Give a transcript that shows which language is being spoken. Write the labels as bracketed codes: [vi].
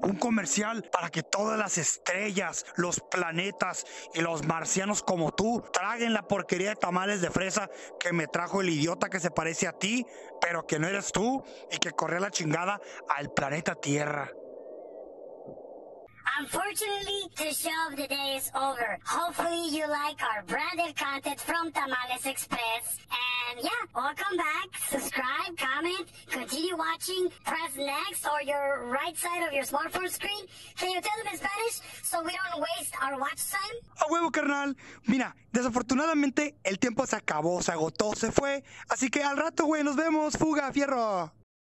[es] Un comercial para que todas las estrellas, los planetas y los marcianos como tú traguen la porquería de tamales de fresa que me trajo el idiota que se parece a ti, pero que no eres tú y que corrió la chingada al planeta Tierra. ¡Ah! [en] Unfortunately, the show of the day is over. Hopefully you like our branded content from Tamales Express. And yeah, welcome back. Subscribe, comment, continue watching, press next or your right side of your smartphone screen. Can you tell them in Spanish so we don't waste our watch time? [es] A huevo, carnal. Mira, desafortunadamente el tiempo se acabó, se agotó, se fue. Así que al rato, güey, nos vemos. Fuga, fierro.